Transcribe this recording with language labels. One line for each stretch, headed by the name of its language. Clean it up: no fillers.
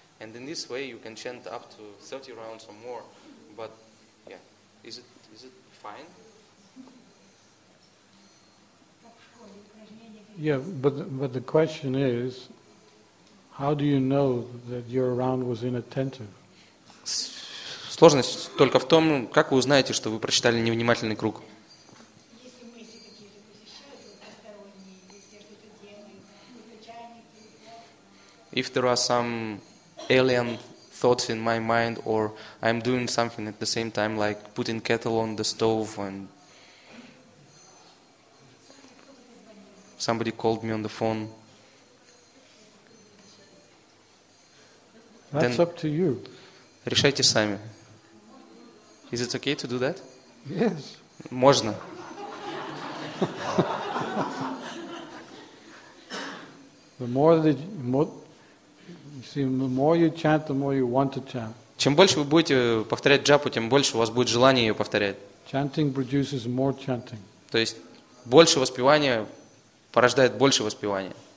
English: And in this way, you can chant up to 30 rounds or more. But, yeah, is it fine? Yeah, but the question is, how do you know that your round was inattentive?
Russian: Сложность только в том, как вы узнаете, что вы прочитали невнимательный круг.
English: If there are some alien thoughts in my mind, or I'm doing something at the same time, like putting kettle on the stove, and somebody called me on the phone. That's up to you.
Russian: Решайте сами.
English: Is it okay to do that? Yes.
Russian: Можно.
English: The more you chant, the more you want to chant.
Russian: Чем больше вы будете повторять джапу, тем больше у вас будет желание ее повторять.
English: Chanting produces more chanting.
Russian: То есть больше воспевания порождает больше воспевания.